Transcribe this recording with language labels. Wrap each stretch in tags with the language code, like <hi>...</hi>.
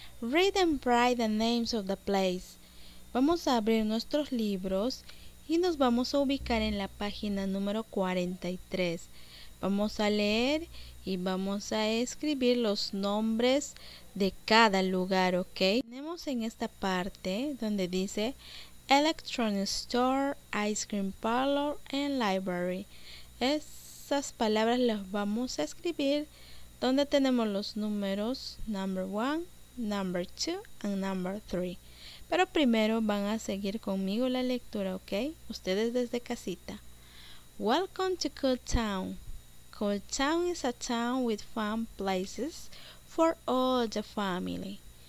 <en>Read and write the names of the place.</en> <es>Vamos a abrir nuestros libros y nos vamos a ubicar en la página número 43. Vamos a leer y vamos a escribir los nombres de cada lugar, ¿ok? Tenemos en esta parte donde dice Electronic Store, Ice Cream Parlor and Library. Esas palabras las vamos a escribir donde tenemos los números</es> <en>number 1, number 2 and number 3.</en> <es>Pero primero van a seguir conmigo la lectura, ¿ok? Ustedes desde casita.</es> <en>Welcome to Cool Town. Cool Town is a town with fun places for all the family.</en>